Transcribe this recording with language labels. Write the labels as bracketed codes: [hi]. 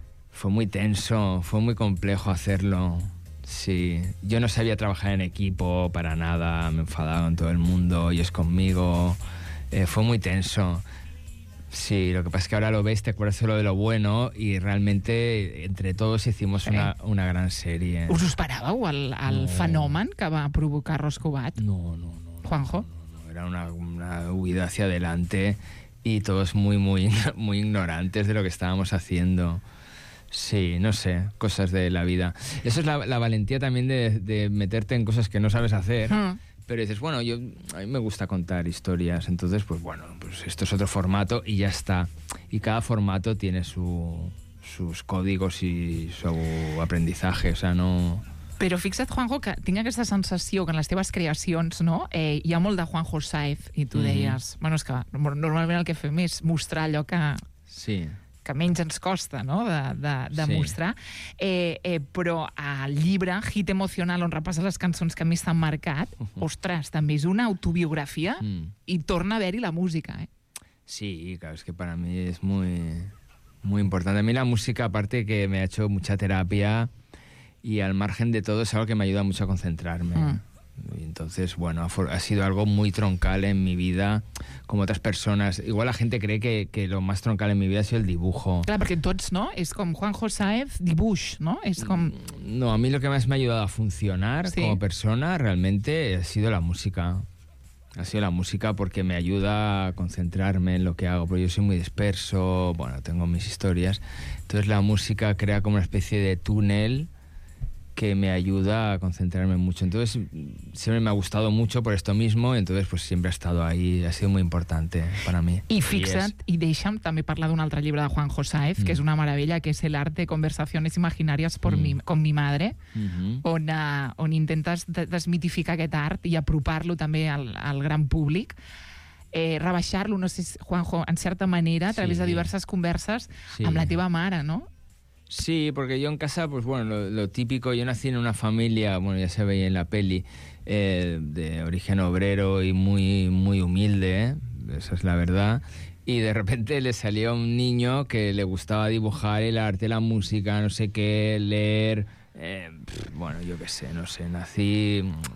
[es] Fue muy tenso, fue muy complejo hacerlo. Sí, yo no sabía trabajar en equipo para nada, me enfadaba con todo el mundo, ellos conmigo. Fue muy tenso. Sí, lo que pasa es que ahora lo ves, te acuerdas solo de lo bueno y realmente entre todos hicimos una gran serie. [ca] ¿Us esperàveu el fenomen que va provocar Arròs Cubat? No. ¿Juanjo? No. [es] Era una huida hacia adelante y todos muy, muy, muy ignorantes de lo que estábamos haciendo. Sí, no sé, cosas de la vida. Eso es la valentía también de meterte en cosas que no sabes hacer. Pero dices, bueno, a mí me gusta contar historias, entonces, pues bueno, pues esto es otro formato y ya está. Y cada formato tiene sus códigos y su aprendizaje, o sea, no... [ca] Però fixa't, Juanjo, que tinc aquesta sensació que en les teves creacions, no?, hi ha molt de Juanjo Sáez, i tu deies... Bueno, és que normalment el que fem és mostrar allò que... Sí. Que menys ens costa, no?, de sí. mostrar. Però el llibre, Hit Emocional, on repassa les cançons que més t'han marcat, ostres, també és una autobiografia i torna a haver-hi la música, [es] Sí, claro, es que para mí es muy, muy importante. A mí la música, aparte, que me ha hecho mucha terapia y al margen de todo es algo que me ayuda mucho a concentrarme. Entonces, bueno, ha sido algo muy troncal en mi vida, como otras personas. Igual la gente cree que lo más troncal en mi vida ha sido el dibujo. Claro, porque tots, ¿no? Es como Juanjo Sáez, dibuix, ¿no? Es como... No, a mí lo que más me ha ayudado a funcionar como persona realmente ha sido la música. Ha sido la música porque me ayuda a concentrarme en lo que hago, porque yo soy muy disperso, bueno, tengo mis historias. Entonces la música crea como una especie de túnel que me ayuda a concentrarme mucho. Entonces, siempre me ha gustado mucho por esto mismo, entonces, pues siempre ha estado ahí, ha sido muy importante para mí. [ca] Y fixa't, y deixa'm també parlar d'un altre llibre de Juanjo Sáez, que és una meravella, que és El arte, conversaciones imaginarias con mi madre, on intentes desmitificar aquest art i apropar-lo també al gran públic. Rebaixar-lo, no sé si, Juanjo, en certa manera, a través de diverses converses amb la teva mare, no? [es] Sí, porque yo en casa, pues bueno, lo típico, yo nací en una familia, bueno, ya se veía en la peli, de origen obrero y muy, muy humilde, esa es la verdad, y de repente le salió un niño que le gustaba dibujar el arte, la música, no sé qué, leer, bueno, yo qué sé, no sé, nací un